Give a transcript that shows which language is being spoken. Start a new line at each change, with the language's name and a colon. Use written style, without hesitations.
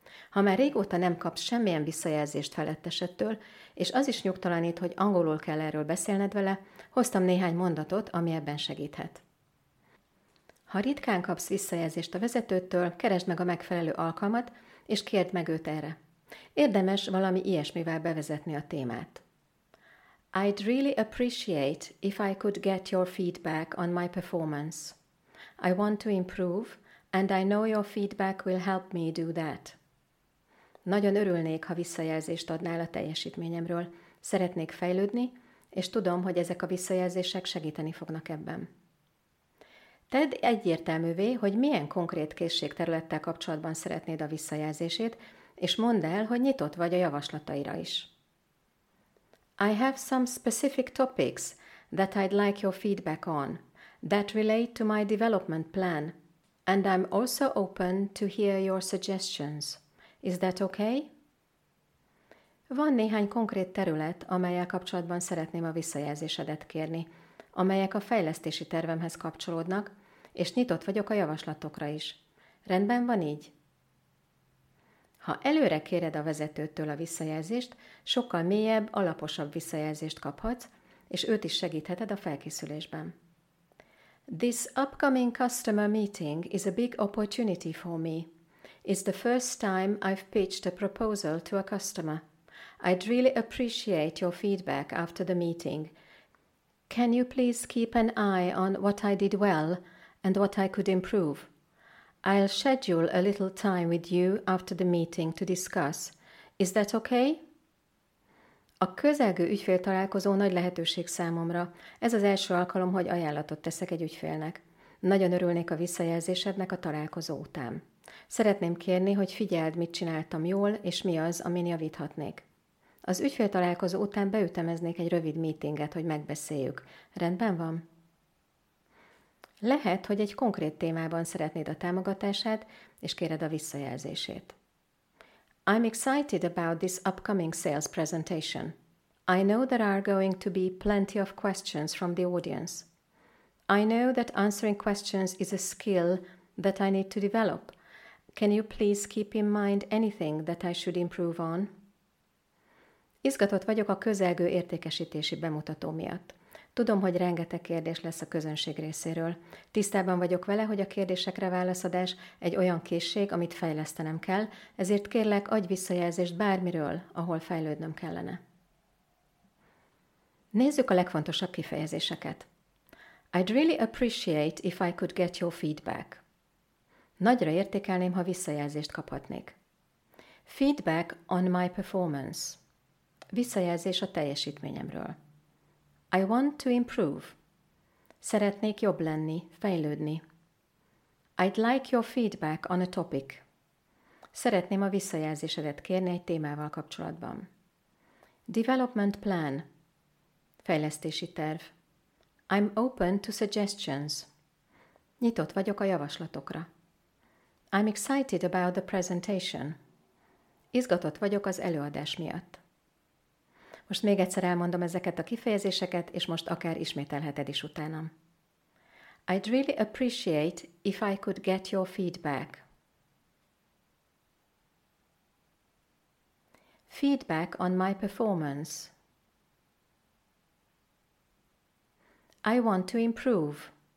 Hungarian: Ha már régóta nem kapsz semmilyen visszajelzést felettesedtől, és az is nyugtalanít, hogy angolul kell erről beszélned vele, hoztam néhány mondatot, ami ebben segíthet. Ha ritkán kapsz visszajelzést a vezetőtől, keresd meg a megfelelő alkalmat, és kérd meg őt erre. Érdemes valami ilyesmivel bevezetni a témát.
English: I'd really appreciate if I could get your feedback on my performance. I want to improve, and I know your feedback will help me do that.
Hungarian: Nagyon örülnék, ha visszajelzést adnál a teljesítményemről. Szeretnék fejlődni, és tudom, hogy ezek a visszajelzések segíteni fognak ebben. Tedd egyértelművé, hogy milyen konkrét készségterülettel kapcsolatban szeretnéd a visszajelzését, és mondd el, hogy nyitott vagy a javaslataira is.
English: I have some specific topics that I'd like your feedback on, that relate to my development plan, and I'm also open to hear your suggestions. Is that okay?
Hungarian: Van néhány konkrét terület, amellyel kapcsolatban szeretném a visszajelzésedet kérni, amelyek a fejlesztési tervemhez kapcsolódnak, és nyitott vagyok a javaslatokra is. Rendben van így? Ha előre kéred a vezetőtől a visszajelzést, sokkal mélyebb, alaposabb visszajelzést kaphatsz, és őt is segítheted a felkészülésben.
English: This upcoming customer meeting is a big opportunity for me. It's the first time I've pitched a proposal to a customer. I'd really appreciate your feedback after the meeting. Can you please keep an eye on what I did well and what I could improve? I'll schedule a little time with you after the meeting to discuss. Is that okay?
Hungarian: A közelgő ügyféltalálkozó nagy lehetőség számomra. Ez az első alkalom, hogy ajánlatot teszek egy ügyfélnek. Nagyon örülnék a visszajelzésednek a találkozó után. Szeretném kérni, hogy figyeld, mit csináltam jól, és mi az, amin javíthatnék. Az ügyféltalálkozó után beütemeznék egy rövid meetinget, hogy megbeszéljük. Rendben van? Lehet, hogy egy konkrét témában szeretnéd a támogatását, és kéred a visszajelzését.
English: I'm excited about this upcoming sales presentation. I know there are going to be plenty of questions from the audience. I know that answering questions is a skill that I need to develop. Can you please keep in mind anything that I should improve on?
Hungarian: Izgatott vagyok a közelgő értékesítési bemutató miatt. Tudom, hogy rengeteg kérdés lesz a közönség részéről. Tisztában vagyok vele, hogy a kérdésekre válaszadás egy olyan készség, amit fejlesztenem kell, ezért kérlek, adj visszajelzést bármiről, ahol fejlődnöm kellene. Nézzük a legfontosabb kifejezéseket.
English: I'd really appreciate if I could get your feedback.
Hungarian: Nagyra értékelném, ha visszajelzést kaphatnék.
English: Feedback on my performance.
Hungarian: Visszajelzés a teljesítményemről.
English: I want to improve.
Hungarian: Szeretnék jobb lenni, fejlődni.
English: I'd like your feedback on a topic.
Hungarian: Szeretném a visszajelzésedet kérni egy témával kapcsolatban.
English: Development plan.
Hungarian: Fejlesztési terv.
English: I'm open to suggestions.
Hungarian: Nyitott vagyok a javaslatokra.
English: I'm excited about the presentation.
Hungarian: Izgatott vagyok az előadás miatt. Most még egyszer elmondom ezeket a kifejezéseket, és most akár ismételheted is utánam.
English: I'd really appreciate if I could get your feedback. Feedback on my performance. I want to improve.